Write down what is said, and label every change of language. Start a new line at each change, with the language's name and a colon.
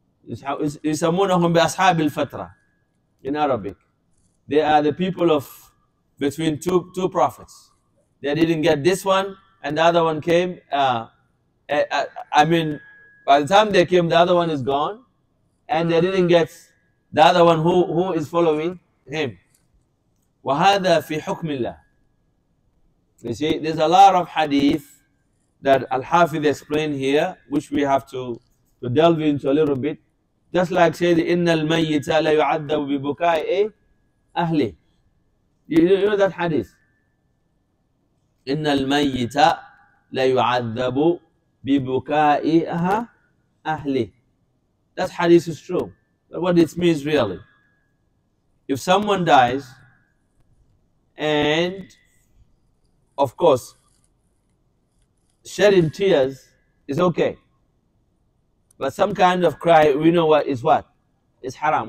Arabic: يسمونهم بأصحاب الفترة
English: in Arabic. They are the people of between two prophets. They didn't get this one and the other one came. By the time they came, the other one is gone. And they didn't get the other one who is following him.
Arabic: وهذا في حكم الله.
English: You see, there's a lot of hadith that Al-Hafidh explained here, which we have to delve into a little bit. Just like say the
Arabic: إن الميت لا يعذب ببكاء أهله.
English: You know that hadith.
Arabic: إن الميت لا يعذب ببكاء أهله.
English: That hadith is true. But what it means really? If someone dies, and of course, shedding tears is okay. But some kind of cry, we know what is what? It's haram.